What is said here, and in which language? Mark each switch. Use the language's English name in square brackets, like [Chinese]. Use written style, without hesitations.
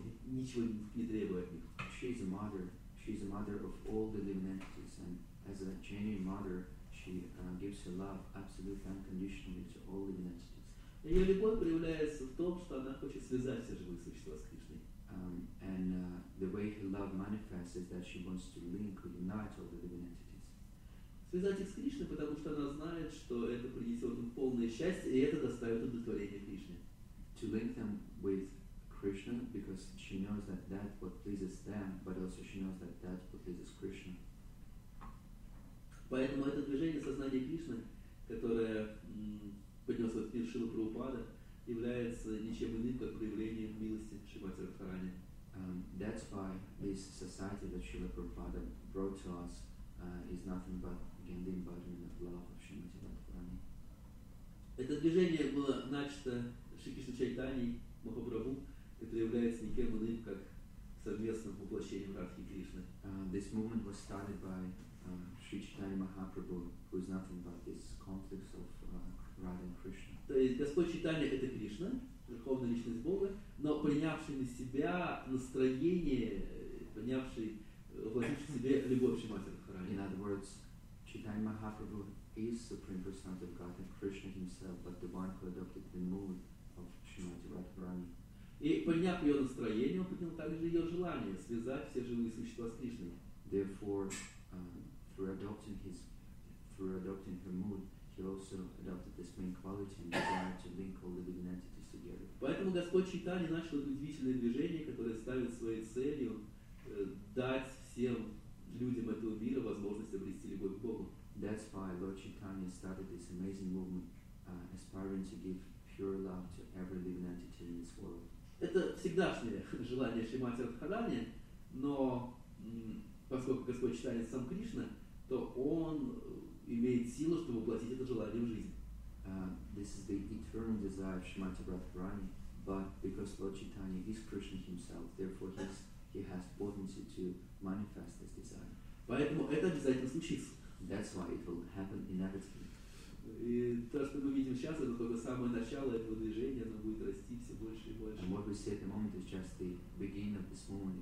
[Russian] ничего не требует от них. [English] She's a mother. She's a mother of all the living entities, and as a genuine mother, she gives her love absolutely unconditionally to all living entities. [Russian] Ее любовь проявляется в том, что она хочет связать все живые существа с Кришной. [English] And the way her love manifests is that she wants to link, unite all the living entities. [Russian] Связать их с Кришной, потому что она знает, что это принесет им полное счастье, и это доставит удовлетворение Кришне. [English] To link them with Krishna, because she knows that that what pleases them, but also she knows that that what pleases Krishna. [Russian] Поэтому это движение сознания Кришны, которое поднес этот мир Шрилы Прабхупады, является ничем иным, как проявлением милости Шримати Радхарани. [English] That's why this society that Srila Prabhupada brought to us is nothing but, again, the embodiment of love of Srimati Radharani. [Russian] Это движение было начато Шри Кришна Чайтани Махапрабху, который является никем иным, как совместным воплощением Радхи Кришны. [English] This movement was started by Шри Чайтани Махапрабху, who is nothing but this complex of Radha and Krishna. [Russian] То есть Господь Чайтани — это Кришна, Верховная Личность Бога, но принявший на себя настроение, принявший, воплотивший в себе любовь Шримати Радхарани. [English] In other words, Чайтани Махапрабху is Supreme Personality of God and Krishna himself, but the one who adopted the mood of Шримати Радхарани. [Russian] И приняв ее настроение, он принял также ее желание связать все живые существа с Кришной. [English] Therefore, through adopting her mood, he also adopted this main quality and desire to link all the living entities together. [Russian] Поэтому Господь Чайтани начал удивительное движение, которое ставит своей целью дать всем людям этого мира возможность обрести любовь к Богу. [English] That's why Lord Chaitanya started this amazing movement, aspiring to give pure love to every living entity in this world. [Russian] Это всегдашнее желание Шримати Радхарани, но поскольку Господь Чайтани сам Кришна, то он имеет силу, чтобы воплотить это желание в жизнь. [English] This is the eternal desire of Shrimati Radharani, but because Lord Chaitanya is Krishna himself, therefore he has potency to manifest this desire. [Russian] Поэтому это обязательно случится. [English] That's why it will happen inevitably. [Russian] И то, что мы видим сейчас, это только самое начало этого движения, оно будет расти все больше и больше. [English] And what we see at the moment is just the beginning of this moment.